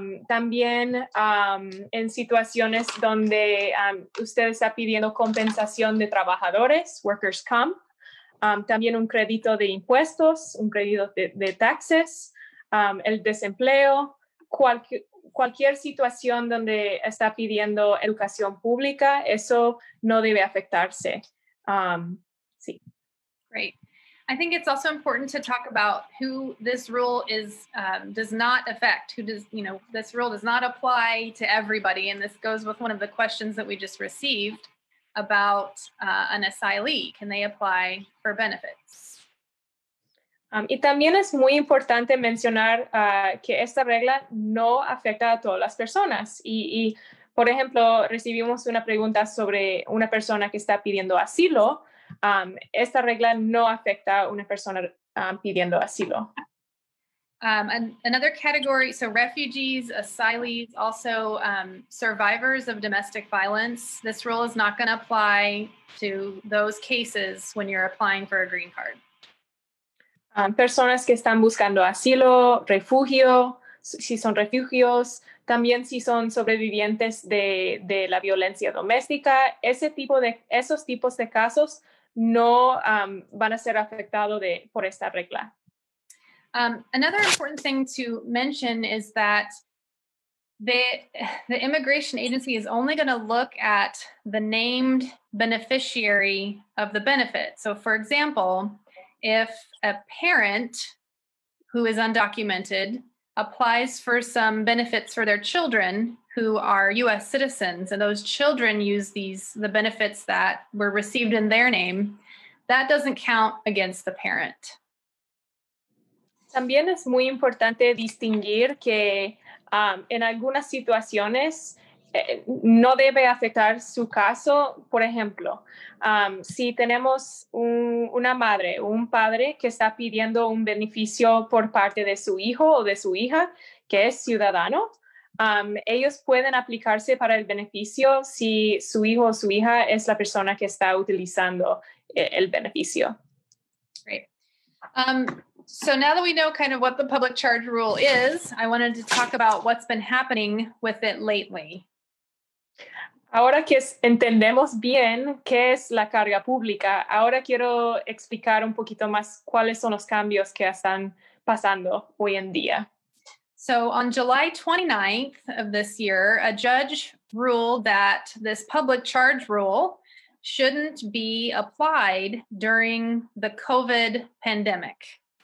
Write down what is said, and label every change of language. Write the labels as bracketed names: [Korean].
[Spanish] También en situaciones donde usted está pidiendo compensación de trabajadores, [English] workers' comp, [Spanish] también un crédito de impuestos, un crédito de taxes, el desempleo, cualquier situación donde está pidiendo educación pública, eso no debe afectarse. Sí. [English] Great. I think it's also important to talk about who this rule is does not affect, this rule does not apply to everybody. And this goes with one of the questions that we just received about an asylee. Can they apply for benefits? [Spanish] Y también es muy importante mencionar que esta regla no afecta a todas las personas. Y por ejemplo, recibimos una pregunta sobre una persona que está pidiendo asilo. Esta regla no afecta a una persona pidiendo asilo. [English] Another category, so refugees, asylees, also survivors of domestic violence. This rule is not going to apply to those cases when you're applying for a green card. [Spanish] Personas que están buscando asilo, refugio, si son refugios, también si son sobrevivientes de la violencia doméstica, esos tipos de casos no van a ser afectados por esta regla. [English] Another important thing to mention is that the immigration agency is only going to look at the named beneficiary of the benefit. So for example, if a parent who is undocumented applies for some benefits for their children who are U.S. citizens, and those children use the benefits that were received in their name, that doesn't count against the parent. [Spanish] También es muy importante distinguir que en algunas situaciones no debe afectar su caso. Por ejemplo, si tenemos una madre o un padre que está pidiendo un beneficio por parte de su hijo o de su hija, que es ciudadano, ellos pueden aplicarse para el beneficio si su hijo o su hija es la persona que está utilizando el beneficio. [English] Great. So now that we know kind of what the public charge rule is, I wanted to talk about what's been happening with it lately. [Spanish] Ahora que entendemos bien qué es la carga pública, ahora quiero explicar un poquito más cuáles son los cambios que están pasando hoy en día. [English] So on July 29th of this year, a judge ruled that this public charge rule shouldn't be applied during the COVID pandemic.